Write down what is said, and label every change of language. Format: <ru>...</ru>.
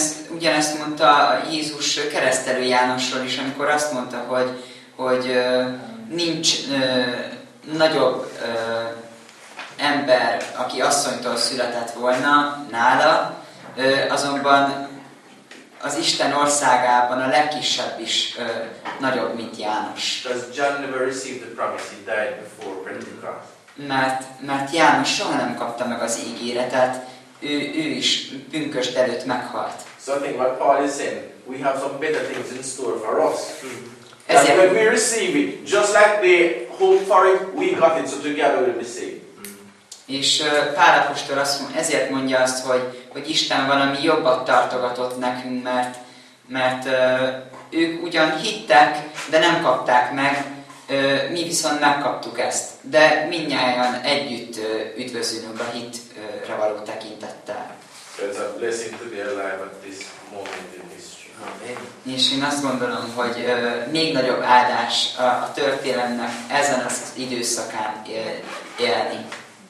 <hu>Ugyanezt mondta Jézus keresztelő Jánosról is, amikor azt mondta, hogy nincs nagyobb ember, aki asszonytól született volna nála, azonban az Isten országában a legkisebb is nagyobb, mint János.</hu> <en>John never received the promise, he died before Pentecost.</en> <hu>Mert János soha nem kapta meg az ígéretet, ő is pünkösd előtt meghalt.</hu> <en>So I think what Paul is saying, we have some better things in store for us. And when we receive it, just like they hoped for it, we got it, so together we'll be saved.</en> <hu>És Pál apostol ezért mondja azt, hogy Isten valami jobbat tartogatott nekünk, mert ők ugyan hittek, de nem kapták meg, mi viszont megkaptuk ezt. De mindnyájan együtt üdvözülünk a hitre való tekintettel.</hu> <en>It's a blessing to be alive at this moment in history.</en> <hu>Amen. És én azt gondolom, hogy még nagyobb áldás a történelemnek ezen az időszakán élni.</hu>